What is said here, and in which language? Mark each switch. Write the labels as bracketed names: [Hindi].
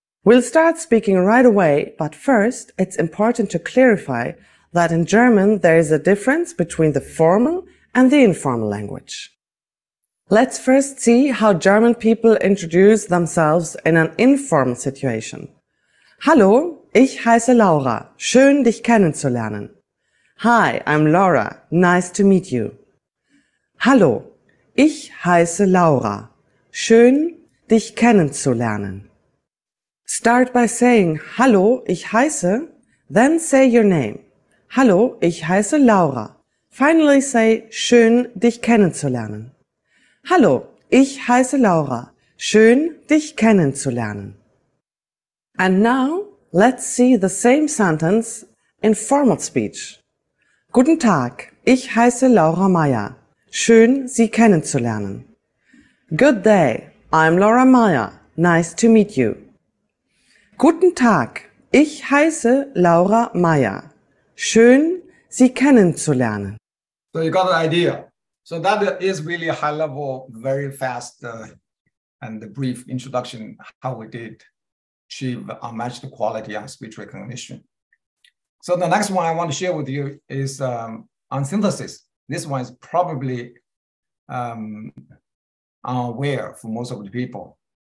[English] We'll start speaking right away, but first, it's important to clarify that in German, there is a difference between the formal and the informal language. Let's first see how German people introduce themselves in an informal situation. [German] Hallo, ich heiße Laura. Schön, dich kennenzulernen. [English] Hi, I'm Laura. Nice to meet you. [German] Hallo, ich heiße Laura. Schön, dich kennenzulernen. [English] Start by saying, [German] hallo, ich heiße, [English] then say your name. [German] Hallo, ich heiße Laura. [English] Finally say, [German] schön, dich kennenzulernen. Hallo, ich heiße Laura. Schön, dich kennenzulernen. [English] And now, let's see the same sentence in formal speech. [German] Guten Tag, ich heiße Laura Meyer. Schön, Sie kennenzulernen. [English] Good day, I'm Laura Meyer. Nice to meet you. [German] Guten Tag, ich heiße Laura Meyer. Schön, Sie kennenzulernen. [English] So you got an idea. So that is really a high level, very fast and the brief introduction how we did achieve unmatched quality on speech recognition. So the next one I want to share with you is on synthesis. This one is probably unaware for most of the people.